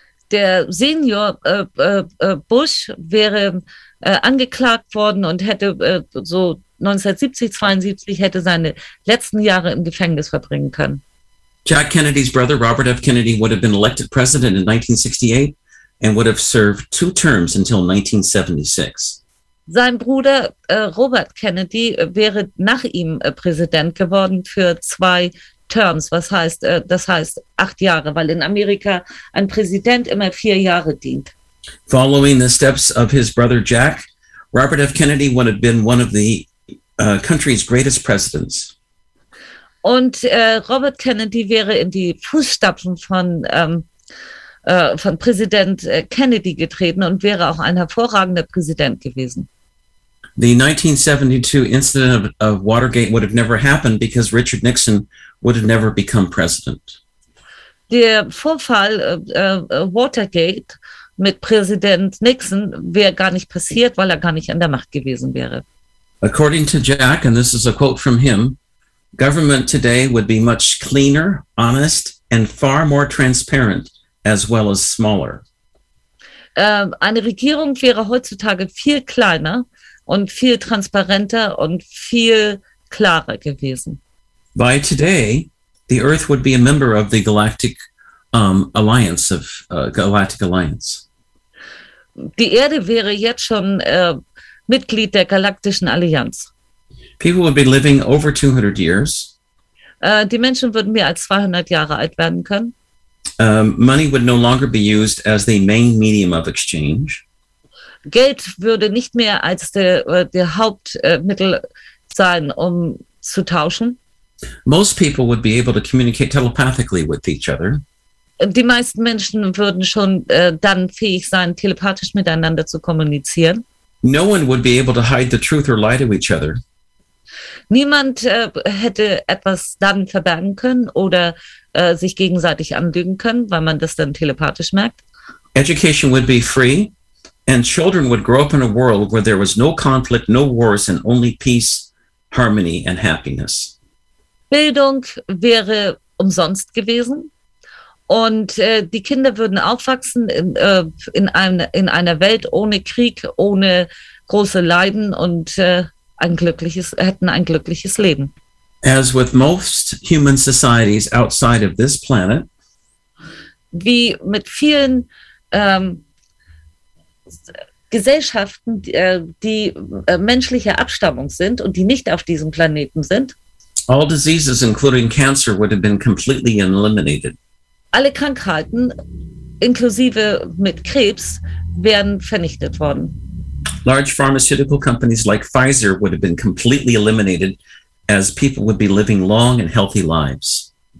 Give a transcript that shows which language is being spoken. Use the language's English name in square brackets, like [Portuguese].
[German] Der Senior Bush wäre angeklagt worden und hätte so 1970, 72 hätte seine letzten Jahre im Gefängnis verbringen können. [English] Jack Kennedy's brother, Robert F. Kennedy, would have been elected president in 1968. And would have served two terms until 1976. [German] Sein Bruder Robert Kennedy wäre nach ihm Präsident geworden für zwei Terms. Das heißt 8 Jahre, weil in Amerika ein Präsident immer 4 Jahre dient. [English] Following the steps of his brother Jack, Robert F. Kennedy would have been one of the country's greatest presidents. [German] Und Robert Kennedy wäre in die Fußstapfen von Präsident Kennedy getreten und wäre auch ein hervorragender Präsident gewesen. [English] The 1972 incident of Watergate would have never happened because Richard Nixon would have never become president. [German] Der Vorfall Watergate mit Präsident Nixon wäre gar nicht passiert, weil er gar nicht an der Macht gewesen wäre. [English] According to Jack, and this is a quote from him, government today would be much cleaner, honest and far more transparent. As well as smaller. [German] Eine Regierung wäre heutzutage viel kleiner und viel transparenter und viel klarer gewesen. [English] By today, the Earth would be a member of the Galactic Alliance of Galactic Alliance. [German] Die Erde wäre jetzt schon Mitglied der Galaktischen Allianz. [English] People would be living over 200 years. [German] Die Menschen würden mehr als 200 Jahre alt werden können. [English] Money would no longer be used as the main medium of exchange. [German] Geld würde nicht mehr als der Hauptmittel sein, um zu tauschen. [English] Most people would be able to communicate telepathically with each other. [German] Die meisten Menschen würden schon dann fähig sein, telepathisch miteinander zu kommunizieren. [English] No one would be able to hide the truth or lie to each other. [German] Niemand hätte etwas dann verbergen können oder sich gegenseitig anlügen können, weil man das dann telepathisch merkt. [English] Education would be free and children would grow up in a world where there was no conflict, no wars and only peace, harmony and happiness. [German] Bildung wäre umsonst gewesen und die Kinder würden aufwachsen in einer Welt ohne Krieg, ohne große Leiden und hätten ein glückliches Leben. [English] As with most human societies outside of this planet, [German] wie mit vielen Gesellschaften, die menschlicher Abstammung sind und die nicht auf diesem Planeten sind, [English] all diseases, including cancer, would have been completely eliminated. [German] Alle Krankheiten, inklusive mit Krebs, wären vernichtet worden. [English] Large pharmaceutical companies like Pfizer would have been completely eliminated as people would be living long and healthy lives.